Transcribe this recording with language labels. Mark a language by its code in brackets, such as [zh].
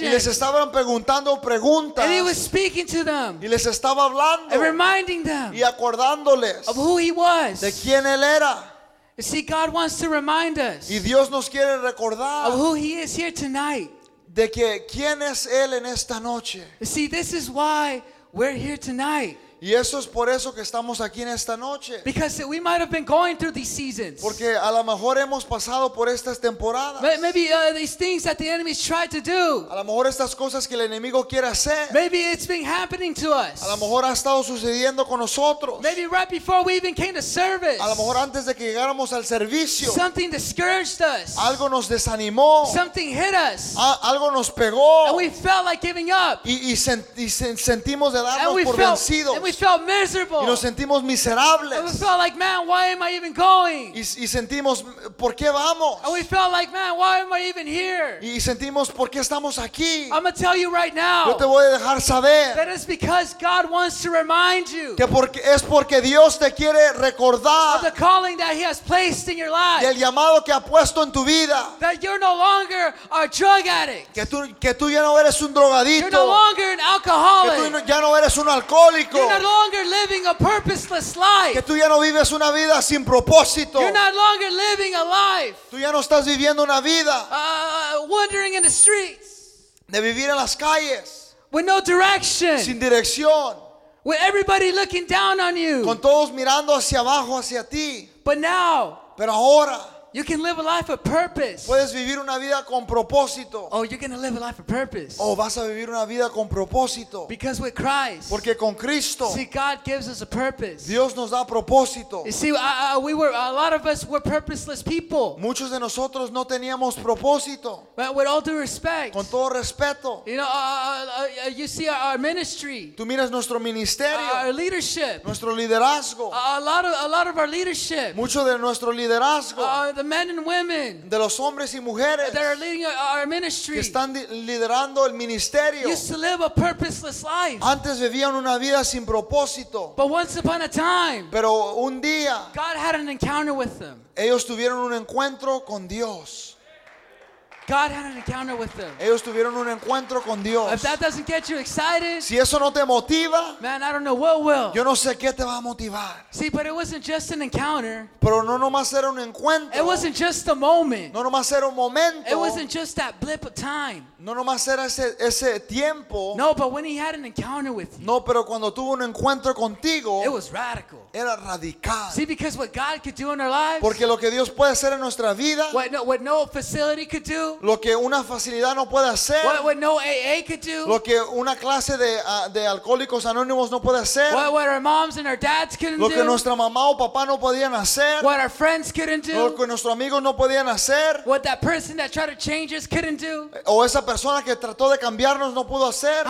[es] Y les estaban preguntando preguntas. [en] And he was speaking to them. [es] Y les estaba hablando. [en] And reminding them [es] y acordándoles [en] of who he was. [es] De quién él era. [en] You see, God wants to remind us [es] y Dios nos quiere recordar [en] of who he is here tonight. [es] De que quién es él en esta noche. [en] You see, this is why we're here tonight. [es] Y eso es por eso que estamos aquí en esta noche. [en] Because we might have been going through these seasons. [es] Porque a lo mejor hemos pasado por estas temporadas. [en] Maybe these things that the enemy's tried to do. [es] A lo mejor estas cosas que el enemigo quiere hacer. [en] Maybe it's been happening to us. [es] A lo mejor ha estado sucediendo con nosotros. [en] Maybe right before we even came to service. [es] A lo mejor antes de que llegáramos al servicio. [en] Something discouraged us. [es] Algo nos desanimó. [en] Something hit us. [es] Algo nos pegó. [en] And we felt like giving up. [es] Y sentimos de darnos por vencidos. [en] We felt miserable. [es] Y nos sentimos miserables. [en] And we felt like, man, why am I even going? [es] Y sentimos, ¿por qué vamos? [en] And we felt like, man, why am I even here? [es] Y sentimos, ¿por qué estamos aquí? [en] I'm gonna tell you right now. [es] Yo te voy a dejar saber. [en] That it's because God wants to remind you. [es] Que porque es porque Dios te quiere recordar. [en] Of the calling that He has placed in your life. [es] Y el llamado que ha puesto en tu vida. [en] That you're no longer a drug addict. [es] Que tú ya no eres un drogadicto. [en] You're no longer an alcoholic. [es] Que tú ya no eres un alcohólico. [en] You're no longer living a purposeless life. [es] Que tú ya no vives una vida sin propósito. [en] You're not longer living a life. [es] Tú ya no estás viviendo una vida. [en] Wandering in the streets. [es] De vivir en las calles. [en] With no direction. [es] Sin dirección. [en] With everybody looking down on you. [es] Con todos mirando hacia abajo hacia ti. [en] But now. [es] Pero ahora. [en] You can live a life of purpose. [es] Puedes vivir una vida con propósito. [en] Oh, you're gonna live a life of purpose. [es] Oh, vas a vivir una vida con propósito. [en] Because with Christ. [es] Porque con Cristo. [en] See, God gives us a purpose. [es] Dios nos da propósito. [en] You see, a lot of us were purposeless people. [es] Muchos de nosotros no teníamos propósito. [en] But with all due respect. [es] Con todo respeto. [en] You know, you see our ministry. [es] Tú miras nuestro ministerio. [en] Our leadership. [es] Nuestro liderazgo. [en] A lot of our leadership. [es] Mucho de nuestro liderazgo. [en] The men and women, [es] de los hombres y mujeres, [en] that are leading our ministry, [es] que están liderando el ministerio, [en] used to live a purposeless life. [es] Antes vivían una vida sin propósito. [en] But once upon a time, [es] pero un día, [en] God had an encounter with them. [es] Ellos tuvieron un encuentro con Dios. [en] God had an encounter with them. [es] Ellos tuvieron un encuentro con Dios. [en] If that doesn't get you excited, [es] si eso no te motiva, [en] man, I don't know what will. [es] Yo no sé qué te va a motivar. [en] See, but it wasn't just an encounter. [es] Pero no nomás era un encuentro. [en] It wasn't just a moment. [es] No nomás era un momento. [en] It wasn't just that blip of time. [es] No nomás era ese tiempo. [en] No, but when he had an encounter with you. [es] No, pero cuando tuvo un encuentro contigo. [en] It was radical. [es] Era radical. [en] See, because what God could do in our lives. [es] Porque lo que Dios puede hacer en nuestra vida. [en] What no facility could do. [es] Lo que una facilidad no puede hacer. [en] What no AA could do. [es] Lo que una clase de alcohólicos anónimos no puede hacer. [en] What our moms and our dads couldn't do. [es] Lo que nuestra mamá o papá no podían hacer. [en] What our friends couldn't do. [es] Lo que nuestros amigos no podían hacer. [en] What that person that tried to change us couldn't do. [es] O esa persona que trató de cambiarnos no pudo hacer.